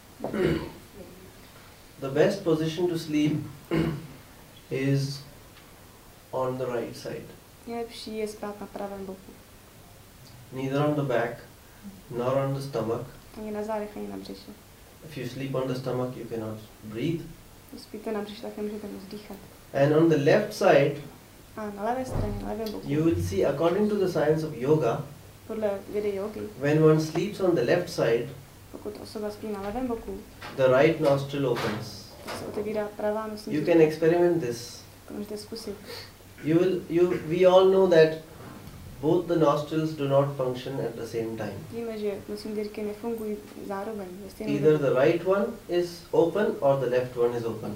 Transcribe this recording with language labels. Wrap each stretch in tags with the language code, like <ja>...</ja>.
<en>The best position to sleep is on the right side.</en> <cs>Nejlepší je spát na pravém boku.</cs> <en>Neither on the back, nor on the stomach.</en> <cs>Ani na zádech, ani na břiše.</cs> <en>If you sleep on the stomach, you cannot breathe.</en> <cs>Když spíte na břiše, tak nemůžete vzdychat.</cs> <en>And on the left side,</en> <cs>a na levé straně, na levém boku,</cs> <en>you will see, according to the science of yoga,</en> <cs>podle vědy jogy,</cs> <en>when one sleeps on the left side,</en> <cs>pokud osoba spí na levém boku,</cs> <en>the right nostril opens.</en> <cs>Tak se otevírá pravá nosní dutina.</cs> <en>You can experiment this.</en> <cs>Můžete zkusit.</cs> <en>We all know that both the nostrils do not function at the same time.</en> <cs>Víme, že nosní dýrky nefungují zároveň.</cs> <en>Either the right one is open or the left one is open.</en>